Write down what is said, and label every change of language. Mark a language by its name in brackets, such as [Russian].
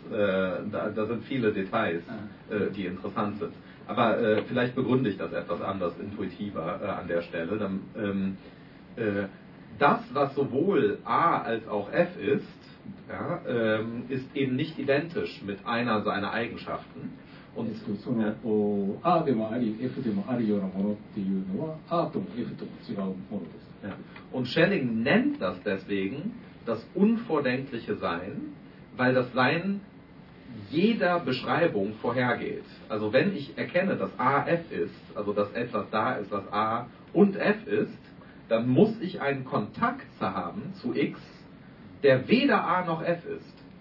[German] Da sind viele Details, die interessant sind. Aber vielleicht begründe ich das etwas anders, intuitiver an der Stelle. Dann, das, was sowohl A als auch F ist, ja, ist eben nicht identisch mit einer seiner Eigenschaften. [Japanese] Und A でもあり F でもあるようなものっていうのは A とも F とも違うものです。 [German] Ja. Und Schelling nennt das deswegen das unvordenkliche Sein, weil das Sein jeder Beschreibung vorhergeht. Also wenn ich erkenne, dass A F ist, also dass etwas da ist, was A und F ist, dann muss ich einen Kontakt haben zu X, der weder A noch F ist.